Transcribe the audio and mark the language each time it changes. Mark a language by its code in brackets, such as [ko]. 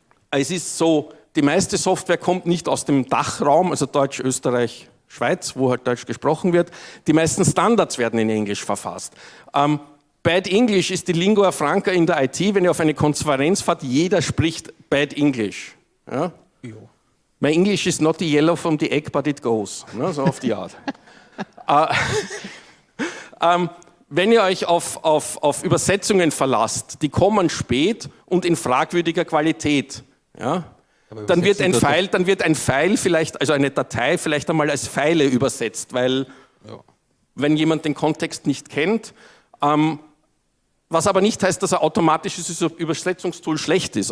[de] Es ist so, die meiste Software kommt nicht aus dem Dachraum, also Deutsch, Österreich, Schweiz, wo halt Deutsch gesprochen wird. Die meisten Standards werden in Englisch verfasst. Bad English ist die Lingua Franca in der IT. Wenn ihr auf eine Konferenz fahrt, jeder spricht Bad English. Ja? Jo. [en] My English is not the yellow from the egg, but it goes. [de] Ne? So auf die Art. wenn ihr euch auf Übersetzungen verlasst, die kommen spät und in fragwürdiger Qualität, ja? Dann wird ein File vielleicht, also eine Datei, vielleicht einmal als Pfeile übersetzt, weil wenn jemand den Kontext nicht kennt, was aber nicht heißt, dass ein automatisches Übersetzungstool schlecht ist.